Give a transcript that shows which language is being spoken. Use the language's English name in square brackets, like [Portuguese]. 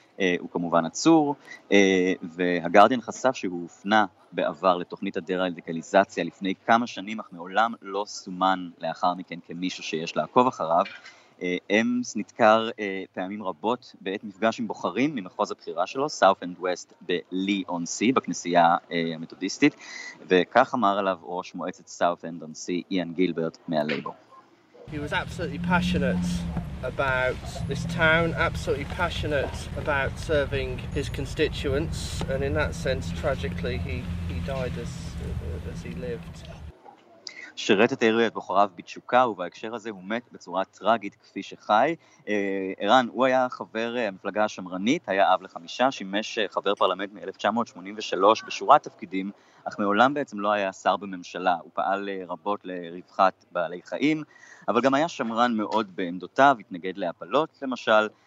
[Hebrew] הוא כמובן עצור, והגרדיאן חשף שהוא הופנה בעבר לתוכנית הדרדיקליזציה לפני כמה שנים, אך מעולם לא סומן לאחר מכן כמישהו שיש לעקוב אחריו. אמס נתקר פעמים רבות בעת מפגש עם בוחרים ממחוז הבחירה שלו, סאוף אנד ווסט בלי און סי, בכנסייה המתודיסטית, וכך אמר עליו ראש מועצת סאוף אנד און סי, איאן גילברט מהלייבו. [English] He was absolutely passionate about this town, absolutely passionate about serving his constituents, and in that sense, tragically, he died as he lived. [Hebrew] שירת את העיר ואת בוחריו בתשוקה, ובהקשר הזה הוא מת בצורה טרגית כפי שחי. ערן, הוא היה חבר המפלגה השמרנית, היה אב לחמישה, שימש חבר פרלמנט מ-1983 בשורת תפקידים, אך מעולם בעצם לא היה שר בממשלה, הוא פעל רבות לרווחת בעלי חיים, אבל גם היה שמרן מאוד בעמדותיו, התנגד להפלות למשל.